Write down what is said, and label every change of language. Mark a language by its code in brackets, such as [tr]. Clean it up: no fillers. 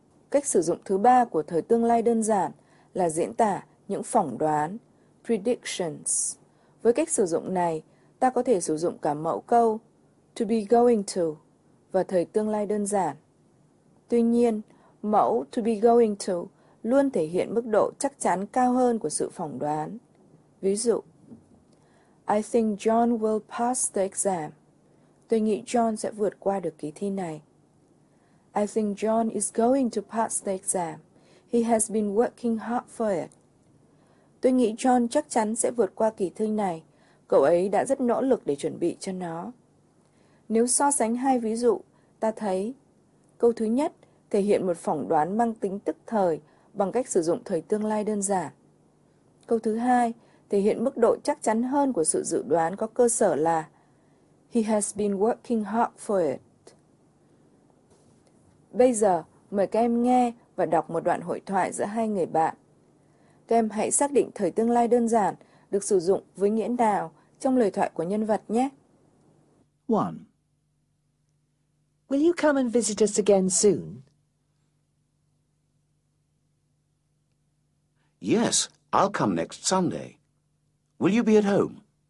[vi] Cách sử dụng thứ ba của thời tương lai đơn giản là diễn tả những phỏng đoán, predictions. Với cách sử dụng này, ta có thể sử dụng cả mẫu câu to be going to và thời tương lai đơn giản. Tuy nhiên, mẫu to be going to luôn thể hiện mức độ chắc chắn cao hơn của sự phỏng đoán. Ví dụ, [en] I think John will pass the exam. [vi] Tôi nghĩ John sẽ vượt qua được kỳ thi này. [en] I think John is going to pass the exam. He has been working hard for it. [vi] Tôi nghĩ John chắc chắn sẽ vượt qua kỳ thi này. Cậu ấy đã rất nỗ lực để chuẩn bị cho nó. Nếu so sánh hai ví dụ, ta thấy câu thứ nhất thể hiện một phỏng đoán mang tính tức thời bằng cách sử dụng thời tương lai đơn giản. Câu thứ hai thể hiện mức độ chắc chắn hơn của sự dự đoán có cơ sở là [en] He has been working hard for it. [vi] Bây giờ, mời các em nghe và đọc một đoạn hội thoại giữa hai người bạn. Các em hãy xác định thời tương lai đơn giản được sử dụng với nghĩa nào trong lời thoại của nhân vật nhé. 1. [en] Will you come and visit us again soon? Yes, I'll come next Sunday. Will you be at home?